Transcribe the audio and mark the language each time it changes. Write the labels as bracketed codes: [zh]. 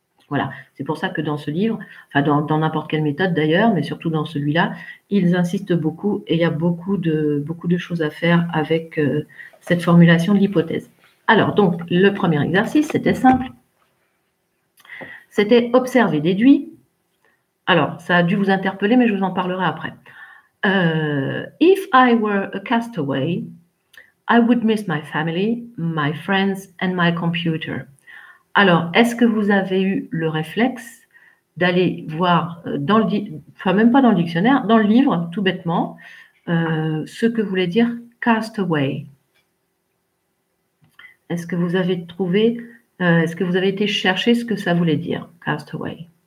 [fr] Voilà, c'est pour ça que dans ce livre, enfin dans n'importe quelle méthode d'ailleurs, mais surtout dans celui-là, ils insistent beaucoup et il y a beaucoup de choses à faire avec cette formulation de l'hypothèse. Alors donc le premier exercice, c'était simple. C'était observer, déduire. Alors, ça a dû vous interpeller, mais je vous en parlerai après. [en] If I were a castaway, I would miss my family, my friends and my computer. [fr] Alors, est-ce que vous avez eu le réflexe d'aller voir, même pas dans le dictionnaire, dans le livre, tout bêtement, ce que voulait dire castaway? Est-ce que vous avez trouvé... est-ce que vous avez été chercher ce que ça voulait dire, cast away?